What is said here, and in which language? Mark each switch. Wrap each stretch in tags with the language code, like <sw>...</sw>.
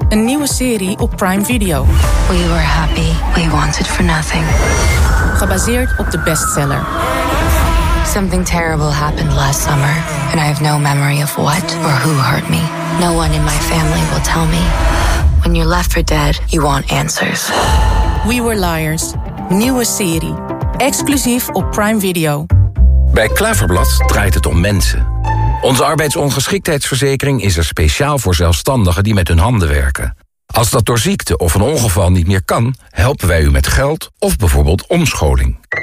<nl>Een nieuwe serie op Prime Video.</nl> <en>We were happy. We wanted for nothing.</en> <nl>Gebaseerd op de bestseller.</nl> <en>Something terrible happened last summer. And I have no memory of what or who hurt me. No one in my family will tell me. When you're left for dead, you want answers. We were liars.</en> <nl>Nieuwe serie. Exclusief op Prime Video. Bij Klaverblad draait het om mensen. Onze arbeidsongeschiktheidsverzekering is er speciaal voor zelfstandigen die met hun handen werken. Als dat door ziekte of een ongeval niet meer kan, helpen wij u met geld of bijvoorbeeld omscholing.</nl>